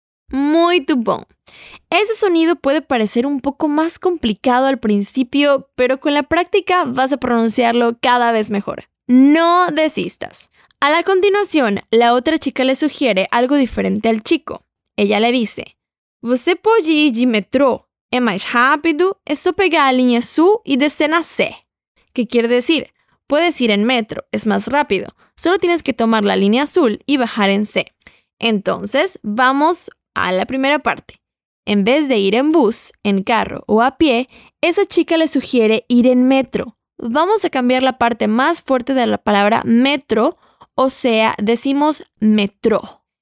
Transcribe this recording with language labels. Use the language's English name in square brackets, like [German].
[Spanish] Muy bom. Ese sonido puede parecer un poco más complicado al principio, pero con la práctica vas a pronunciarlo cada vez mejor. No desistas. A la continuación, la otra chica le sugiere algo diferente al chico. Ella le dice, [Portuguese] ¿você pode ir de metrô? É mais rápido? É só pegar a linha sul e descer na C. [Spanish] ¿Qué quiere decir? Puedes ir en metro, es más rápido. Solo tienes que tomar la línea azul y bajar en C. Entonces, vamos a la primera parte. En vez de ir en bus, en carro o a pie, esa chica le sugiere ir en metro. Vamos a cambiar la parte más fuerte de la palabra metro, o sea, decimos metrô.